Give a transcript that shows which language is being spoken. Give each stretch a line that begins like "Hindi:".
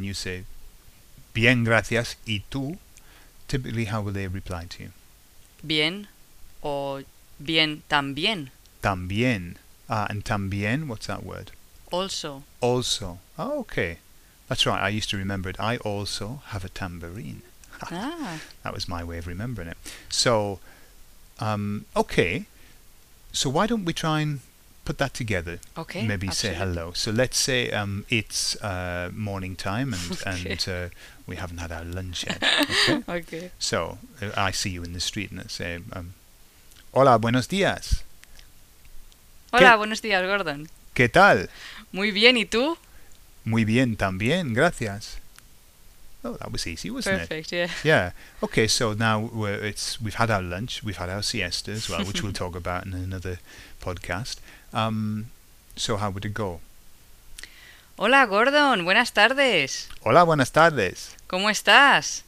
English: And you say,
Spanish: bien, gracias, ¿y tú?
English: Typically, how will they reply to you?
Spanish: Bien, o bien, también.
English: También. And también, what's that word? Also. Also. Oh, okay. That's right. I used to remember it. I also have a tambourine. That was my way of remembering it. So, okay. So why don't we try and put that together? Okay. Maybe absolutely. Say hello. So let's say it's morning time and we haven't had our lunch yet. Okay. So I see you in the street and I say,
Spanish: hola, buenos días. Hola, buenos días, Gordon. ¿Qué tal? Muy bien, ¿y tú? Muy bien, también, gracias.
English: Oh, that was easy, wasn't perfect, it? Perfect, yeah. Yeah. Okay, so now we've had our lunch, we've had our siesta as well, which we'll talk about in another podcast. So how would it go?
Spanish: Hola, Gordon, buenas tardes. Hola, buenas tardes. ¿Cómo estás?